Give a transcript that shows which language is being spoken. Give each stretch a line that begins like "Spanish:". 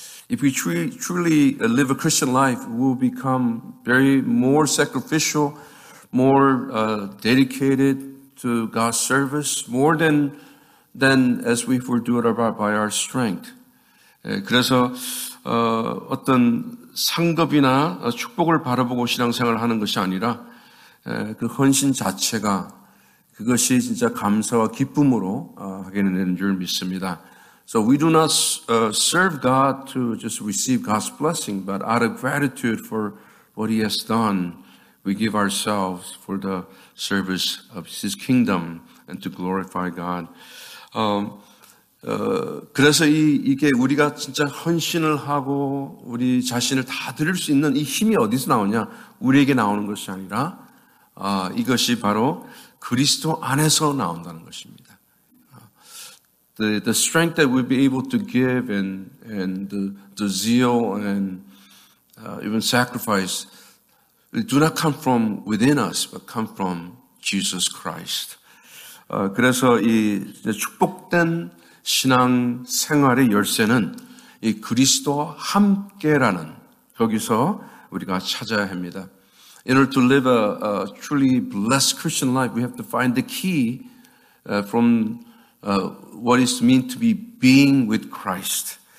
English: If we truly live a Christian life, we will become very more sacrificial, more dedicated to God's service, more than as we would do it by our strength.
Korean: 그래서 어떤 상급이나 축복을 바라보고 신앙생활을 하는 것이 아니라 그 헌신 자체가 그것이 진짜 감사와 기쁨으로 하게 되는 줄 믿습니다.
English: So we do not serve God to just receive God's blessing, but out of gratitude for what He has done, we give ourselves for the service of His kingdom and to glorify God.
Korean: 그래서 이게 우리가 진짜 헌신을 하고 우리 자신을 다 드릴 수 있는 이 힘이 어디서 나오냐? 우리에게 나오는 것이 아니라 이것이 바로 그리스도 안에서 나온다는 것입니다.
English: The strength that we'll be able to give and the zeal and even sacrifice do not come from within us, but come from Jesus Christ.
Korean: 그래서 이 축복된 신앙 생활의 열쇠는 이 그리스도와 함께라는 거기서 우리가 찾아야 합니다.
English: In order to live a truly blessed Christian life, we have to find the key from what it means to be being with Christ.